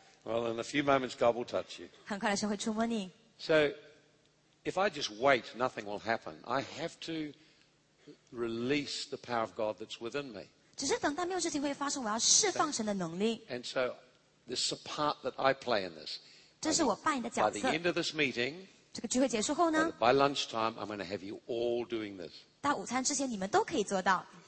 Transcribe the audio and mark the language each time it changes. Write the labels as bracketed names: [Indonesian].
[English] Well, in a few moments, God will touch you. [Chinese] 很快的神会触摸你。 [English] So, if I just wait, nothing will happen. I have to release the power of God that's within me. [Chinese] 只是等待没有事情会发生，我要释放神的能力。 [English] And so, this is a part that I play in this. [Chinese] 这是我扮演的角色。 [English] By the end of this meeting, [Chinese] 这个聚会结束后呢 [English] ？By lunchtime, I'm going to have you all doing this. [Chinese] 到午餐之前，你们都可以做到。